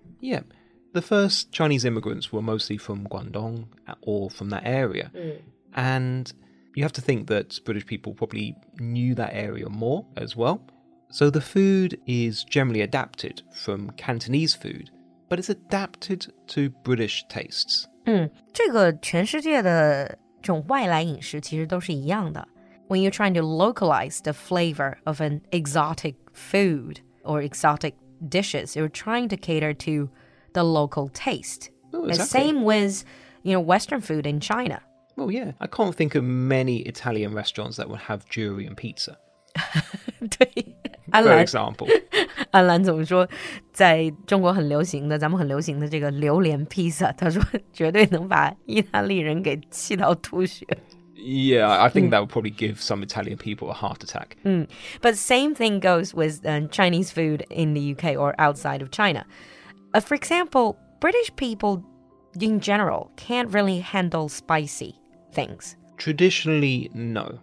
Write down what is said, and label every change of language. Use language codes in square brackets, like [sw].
[en] Yeah, the first Chinese immigrants were mostly from Guangdong or from that area. Mm. And you have to think that British people probably knew that area more as well. So the food is generally adapted from Cantonese food, but it's adapted to British tastes. [zh] 这个全世界的这种外来饮食其实都是一样的。 [en] When you're trying to localize the flavor of an exotic food or exotic dishes, you're trying to cater to the local taste. Oh, exactly. The same with, you know, Western food in China. Well, yeah. I can't think of many Italian restaurants that would have durian pizza. [zh] 对。 [en] For example, [zh] 安澜总说，在中国很流行的，咱们很流行的这个榴莲披萨，他说绝对能把意大利人给气到吐血。 [en] Yeah, I think that would probably give some Italian people a heart attack. But same thing goes with Chinese food in the UK or outside of China. For example, British people in general can't really handle spicy things. Traditionally, no.